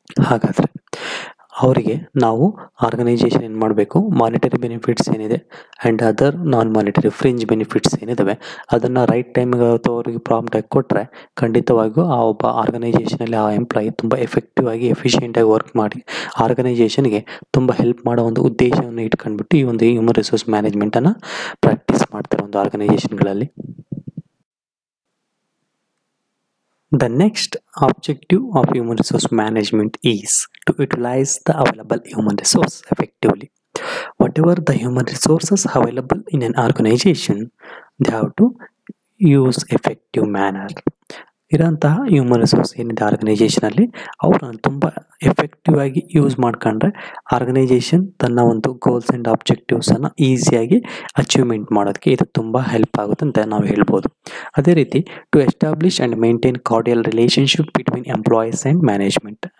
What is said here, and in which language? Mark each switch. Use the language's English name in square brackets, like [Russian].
[Kannada] ಹಾಗಾದರೆ ಅವರಿಗೆ ನಾವು ಆರ್ಗನೈಸೇಷನ್ ಏನು ಮಾಡಬೇಕು, ಮಾನಿಟರಿ ಬೆನಿಫಿಟ್ಸ್ ಏನಿದೆ and other non monetary fringe benefits ಏನಿದಾವೆ ಅದನ್ನು ರೈಟ್ ಟೈಮಿಗೆ ಅಥವಾ ಅವರಿಗೆ ಪ್ರಾಂಪ್ಟ್ ಆಗಿ ಕೊಟ್ಟರೆ ಖಂಡಿತವಾಗಿಯೂ ಆ ಒಬ್ಬ ಆರ್ಗನೈಸೇಷನಲ್ಲಿ ಆ ಎಂಪ್ಲಾಯಿ ತುಂಬ ಎಫೆಕ್ಟಿವಾಗಿ ಎಫಿಷಿಯೆಂಟಾಗಿ ವರ್ಕ್ ಮಾಡಿ ಆರ್ಗನೈಸೇಷನ್ಗೆ ತುಂಬ ಹೆಲ್ಪ್ ಮಾಡೋ ಒಂದು ಉದ್ದೇಶವನ್ನು ಇಟ್ಕೊಂಡ್ಬಿಟ್ಟು ಈ ಒಂದು ಹ್ಯೂಮನ್ ರಿಸೋರ್ಸ್ ಮ್ಯಾನೇಜ್ಮೆಂಟನ್ನು ಪ್ರಾಕ್ಟೀಸ್ ಮಾಡ್ತಾರೆ ಒಂದು ಆರ್ಗನೈಸೇಷನ್ಗಳಲ್ಲಿ. [English] The next objective of human resource management is to utilize the available human resource effectively. Whatever the human resources available in an organization, they have to use effective manner. [Kannada] ಇರೋಂತಹ human resource ಏನಿದೆ ಆರ್ಗನೈಸೇಷನಲ್ಲಿ ಅವ್ರನ್ನ ತುಂಬ effective ಆಗಿ use ಮಾಡ್ಕೊಂಡ್ರೆ organisation ತನ್ನ ಒಂದು goals and ಆಬ್ಜೆಕ್ಟಿವ್ಸನ್ನು ಈಸಿಯಾಗಿ achievement ಮಾಡೋದಕ್ಕೆ ಇದು ತುಂಬ ಹೆಲ್ಪ್ ಆಗುತ್ತೆ ಅಂತ ನಾವು ಹೇಳ್ಬೋದು. ಅದೇ ರೀತಿ [English] To establish and maintain cordial relationship between employees and management.